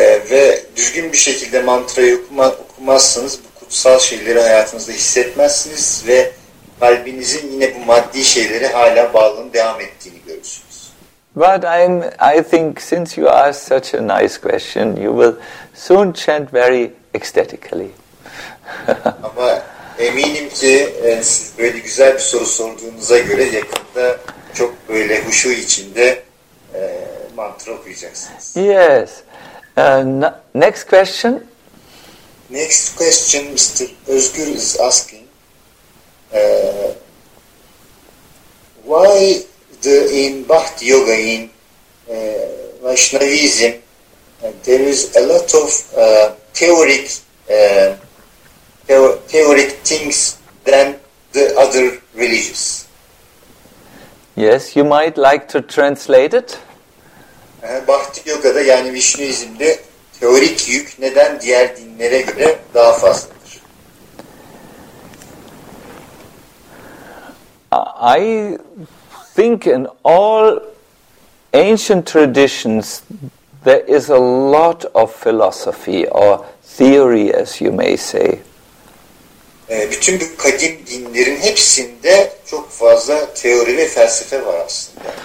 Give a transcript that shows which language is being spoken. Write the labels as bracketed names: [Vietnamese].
[Turkish] ve düzgün bir şekilde mantrayı okumazsanız bu kutsal şeyleri hayatınızda hissetmezsiniz ve kalbinizin yine bu maddi şeylere hala bağlılığını devam ettiğini görürsünüz. [English] But I think since you asked such a nice question, you will soon chant very ecstatically. [Turkish] Ama eminim ki siz böyle güzel bir soru sorduğunuza göre yakında çok böyle huşu içinde mantra okuyacaksınız. [English] Yes. Next question. Next question, Mr. Özgür is asking, why the in Bhakti Yoga in Vaishnavism there is a lot of theoretic things than the other religions? Yes, you might like to translate it. [Turkish] Bhakti Yoga'da yani Vişnuizm'de teorik yük neden diğer dinlere göre daha fazladır? [English] I think in all ancient traditions there is a lot of philosophy or theory as you may say. [Turkish] Bütün bu kadim dinlerin hepsinde çok fazla teori ve felsefe var aslında.